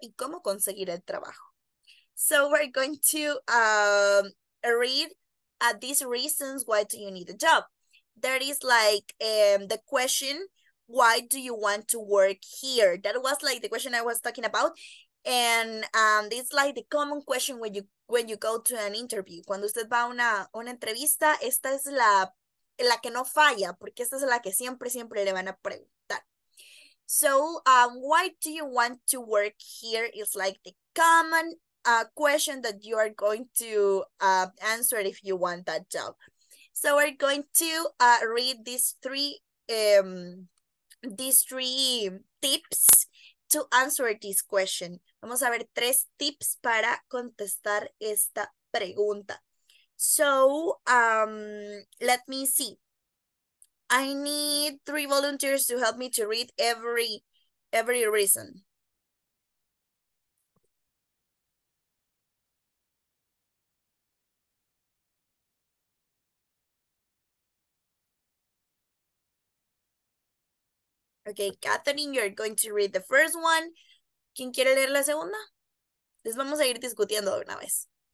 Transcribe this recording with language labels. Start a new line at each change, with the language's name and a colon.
Spanish: ¿Y cómo conseguir el trabajo?
English: So we're going to read these reasons why do you need a job. There is like the question, why do you want to work here? That was like the question I was talking about. And this is like the common question when you go to an interview.
Spanish: Cuando usted va a una entrevista, esta es la que no falla, porque esta es la que siempre, siempre le van a preguntar.
English: So, why do you want to work here? It's like the common question that you are going to answer if you want that job. So we're going to read these three tips to answer this question.
Spanish: Vamos a ver tres tips para contestar esta pregunta.
English: So, let me see. I need three volunteers to help me to read every reason. Okay, Catherine, you're going to read the first one.
Spanish: ¿Quién quiere leer la segunda? Les vamos a ir discutiendo de una vez.